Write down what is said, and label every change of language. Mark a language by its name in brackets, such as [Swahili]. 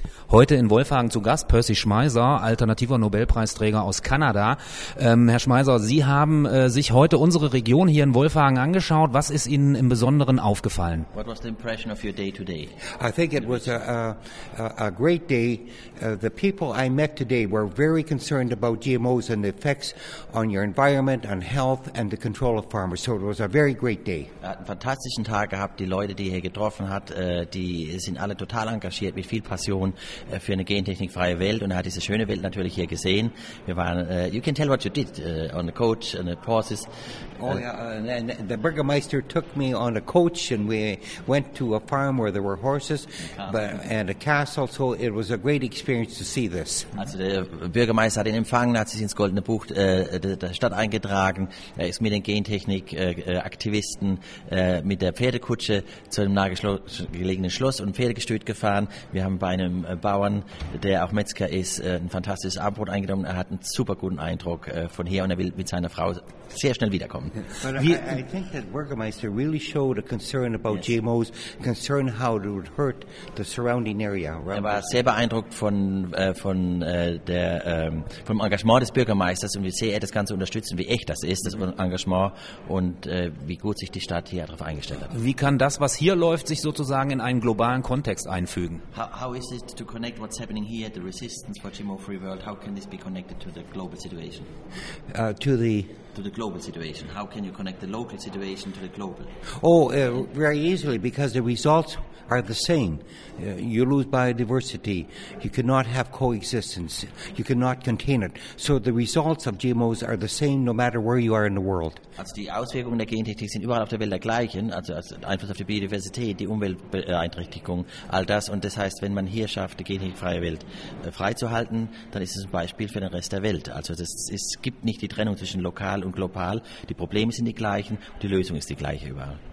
[German] Heute in Wolfhagen zu Gast Percy Schmeiser, alternativer Nobelpreisträger aus Kanada. Herr Schmeiser, Sie haben sich heute unsere Region hier in Wolfhagen angeschaut. Was ist Ihnen im Besonderen aufgefallen? [English] What was the impression of your day today? I think it was a great day. The people I met today were very concerned about GMOs and the effects on your environment, on health and the control of farmers. So it was a very great day. [German] Einen fantastischen Tag gehabt. Die Leute, die hier getroffen hat, die sind alle total engagiert mit viel Passion für eine gentechnikfreie Welt, und er hat diese schöne Welt natürlich hier gesehen. Wir waren, [English] you can tell what you did on the coach and the horses. Oh yeah, and the Burgermeister took me on a coach and we went to a farm where there were horses and a castle, so it was a great experience to see this. [German] Also der Bürgermeister hat ihn empfangen, hat sich ins Goldene Buch der Stadt eingetragen. Er ist mit den Gentechnik-Aktivisten mit der Pferdekutsche zu einem nahegelegenen Schloss und Pferdegestüt gefahren. Wir haben bei einem Bauern, der auch Metzger ist, ein fantastisches Abendbrot eingenommen. Er hat einen super guten Eindruck von hier und er will mit seiner Frau sehr schnell wiederkommen. [English] I think that Burgermeister really showed a concern about GMOs, concern how it would hurt the surrounding area. [German] Er war sehr beeindruckt vom Engagement des Bürgermeisters und wie sehr er das Ganze unterstützt und wie echt das ist, das Engagement, und wie gut sich die Stadt hier darauf eingestellt hat. Wie kann das, was hier läuft, sich sozusagen in einen globalen Kontext einfügen? [English] How is it to connect what's happening here, the resistance for GMO-free world, how can this be connected to the global situation? To the global situation. How can you connect the local situation to the global? Very easily, because the results are the same. You lose biodiversity. You cannot have coexistence. You cannot contain it. So the results of GMOs are the same no matter where you are in the world. [German] Also die Auswirkungen der Gentechnik sind überall auf der Welt der gleichen. Also Einfluss auf die Biodiversität, die Umweltbeeinträchtigung, all das. Und das heißt, wenn man hier schafft, die gentechnikfreie Welt freizuhalten, dann ist es ein Beispiel für den Rest der Welt. Also es gibt nicht die Trennung zwischen lokal und global. Die Probleme sind die gleichen und die Lösung ist die gleiche überall.